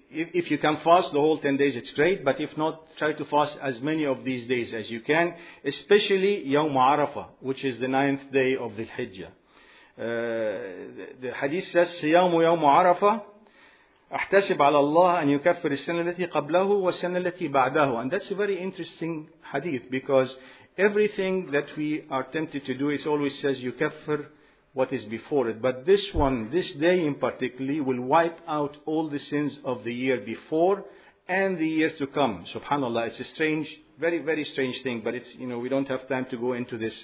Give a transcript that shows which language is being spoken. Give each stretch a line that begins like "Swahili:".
English: If you can fast the whole 10 days, it's great. But if not, try to fast as many of these days as you can, especially Yawm Arafah, which is the 9th day of the Hijjah. The hadith says,
Arabic: Siyamu Yawm Arafah, أحتسب على الله أن يكفر السنة التي قبله والسنة التي بعده.
English: And that's a very interesting hadith, because everything that we are tempted to do, it always says you kafir what is before it. But this one, this day in particular, will wipe out all the sins of the year before and the year to come. SubhanAllah, it's a strange, very, very strange thing. But it's, you know, we don't have time to go into this.